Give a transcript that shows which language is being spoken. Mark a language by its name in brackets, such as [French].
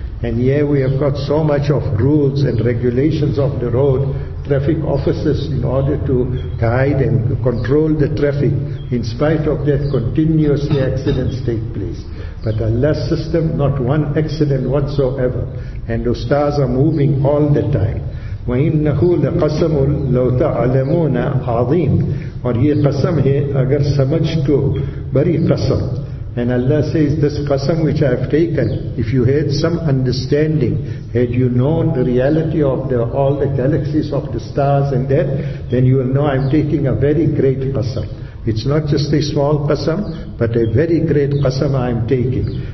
[English] And yeah, we have got so much of rules and regulations of the road, traffic officers in order to guide and control the traffic. In spite of that, continuously accidents take place. But Allah's system, not one accident whatsoever. And those stars are moving all the time. [Arabic] وَإِنَّهُ لَقَسَمُ لَوْ تَعْلَمُونَ عَظِيمٌ. [Urdu] اور یہ قسم ہے اگر سمجھتو بری قسم. [English] And Allah says, this qasam which I have taken, if you had some understanding, had you known the reality of all the galaxies of the stars and that, then you will know I am taking a very great qasam. It's not just a small qasam, but a very great qasam I am taking.